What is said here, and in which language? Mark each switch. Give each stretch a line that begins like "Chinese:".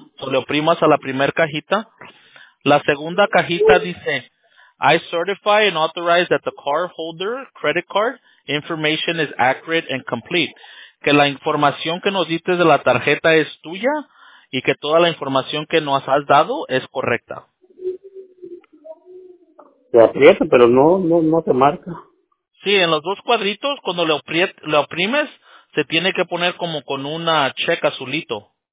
Spanish: Le oprimas a la primer cajita. La segunda cajita dice,
English: I certify and authorize that the cardholder credit card information is accurate and complete.
Spanish: Que la información que nos diste de la tarjeta es tuya y que toda la información que nos has dado es correcta. Le aprieto, pero no te marca. Sí, en los dos cuadritos, cuando le oprimes, se tiene que poner como con una check azulito.